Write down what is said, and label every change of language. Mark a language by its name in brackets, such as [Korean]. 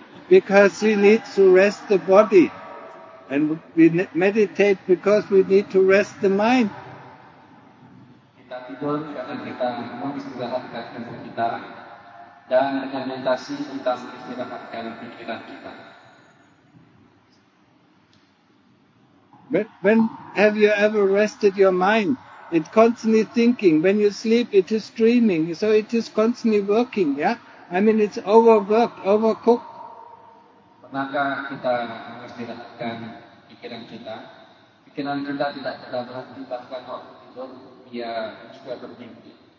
[English] Because we need to rest the body. And we meditate because we need to rest the mind. [Indonesian] Kita tidur karena kita mau istirahatkan tubuh kita dan dengan meditasi kita istirahatkan pikiran kita. [English] When have you ever rested your mind? It constantly thinking. When you sleep, it is dreaming. So it is constantly working, yeah? I mean, it's overworked, overcooked. [Indonesian] Pernahkah kita mengistirahatkan pikiran kita? Pikiran kita tidak pernah berhenti bahkan waktu tidur, dia juga bermimpi.